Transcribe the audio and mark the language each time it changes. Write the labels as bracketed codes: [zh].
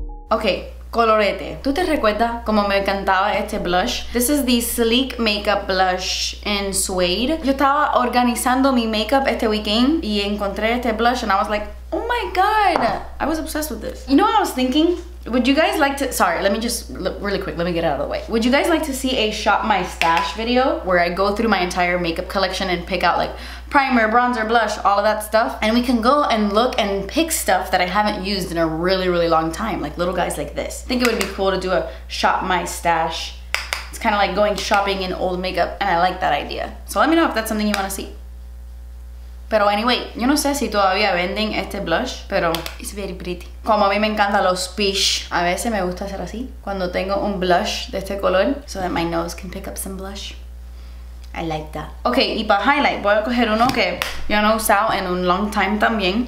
[es] Ok, colorete. ¿Tú te recuerdas cómo me encantaba este blush? [en] This is the Sleek Makeup Blush in Suede. [es] Yo estaba organizando mi makeup este weekend y encontré este blush [en] and I was like, oh my god, I was obsessed with this. You know what I was thinking? Would you guys like to, sorry, let me just, really quick, let me get out of the way. Would you guys like to see a Shop My Stash video where I go through my entire makeup collection and pick out like primer, bronzer, blush, all of that stuff? And we can go and look and pick stuff that I haven't used in a really, really long time, like little guys like this. I think it would be cool to do a Shop My Stash. It's kind of like going shopping in old makeup and I like that idea. So let me know if that's something you want to see. [es] Pero anyway, yo no sé si todavía venden este blush, pero [en] it's very pretty. [es] Como a mí me encantan los peach, a veces me gusta hacer así cuando tengo un blush de este color, [en] so that my nose can pick up some blush. I like that. [es] Okay, y para highlight voy a coger uno que yo no he usado en un [en] long time [es] también.